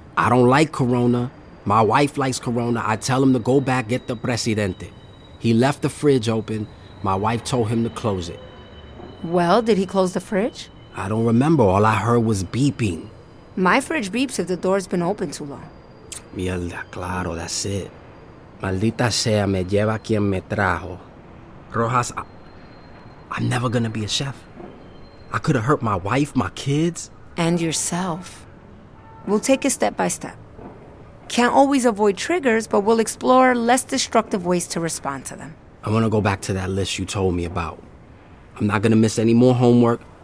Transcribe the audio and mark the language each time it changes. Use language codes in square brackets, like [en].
[es] I don't like Corona. My wife likes Corona. I tell him to go back, get the Presidente. He left the fridge open. My wife told him to close it. Well, did he close the fridge? I don't remember. All I heard was beeping. My fridge beeps if the door's been open too long. Mierda, claro, [en] that's it. [es] Maldita sea, me lleva quien me trajo. Rojas, [en] I'm never gonna be a chef. I could have hurt my wife, my kids. And yourself. We'll take it step by step. Can't always avoid triggers, but we'll explore less destructive ways to respond to them. I want to go back to that list you told me about. I'm not going to miss any more homework.